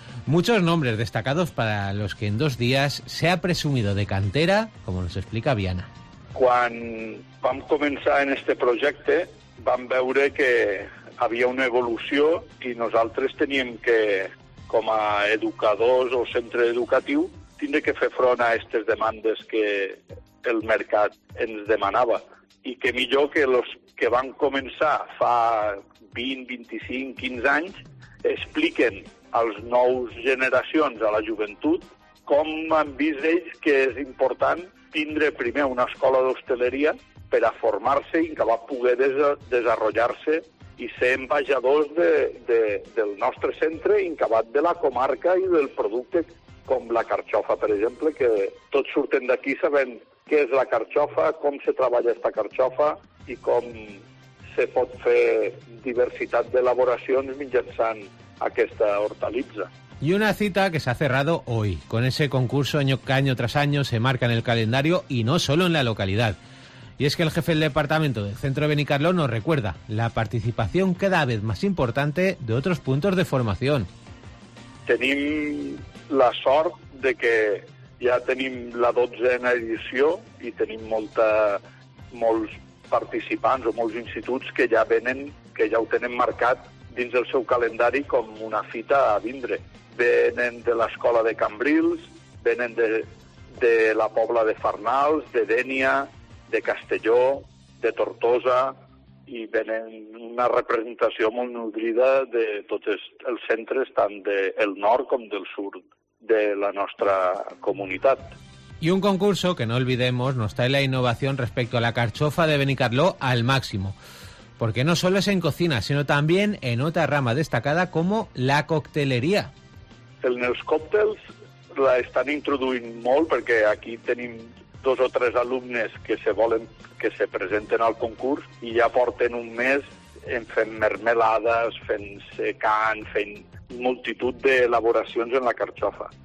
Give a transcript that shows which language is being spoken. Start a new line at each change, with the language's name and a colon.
Spanish: Muchos nombres destacados para los que en dos días se ha presumido de cantera, como nos explica Viana.
Catalan: Quan vam començar en este projecte, vam veure que havia una evolució i nosaltres teníem que, com a educadors o centre educatiu, tindre que fer front a aquestes demandes que el mercat ens demanava. I que millor que els que van començar fa 20, 25, 15 anys expliquen als nous generacions, a la joventut, com han vist ells que és important tindre primer una escola d'hosteleria per a formar-se i que va poder desenvolupar-se i ser embajadors del nostre centre i acabat de la comarca i del producte, com la carxofa, per exemple, que tots surten d'aquí sabent què és la carxofa, com se treballa esta carxofa i com se pot fer diversitat d'elaboracions mitjançant aquesta hortalitza.
Spanish: Y una cita que se ha cerrado hoy, con ese concurso año que año tras año se marca en el calendario y no solo en la localidad. Y es que el jefe del departamento del Centro Benicarló nos recuerda la participación cada vez más importante de otros puntos de formación.
Catalan: Tenim la sort de que ja tenim la 12a edició i tenim molts participants o molts instituts que ja venen, que ja ho tenen marcat dins del seu calendari com una fita a vindre. Venen de l'escola de Cambrils, venen de la Pobla de Farnals, de Dénia, de Castelló, de Tortosa, i venen una representació molt nodrida de tots els centres, tant del nord com del sud de la nostra comunitat.
Spanish: Y un concurso que no olvidemos nos trae la innovación respecto a la carxofa de Benicarló al máximo. Porque no solo es en cocina, sino también en otra rama destacada como la coctelería.
Catalan: En els còctels la estan introduint molt, perquè aquí tenim dos o tres alumnes que se presenten al concurs i ja porten un mes en fent mermelades, fent secant, fent multitud d'elaboracions en la carxofa.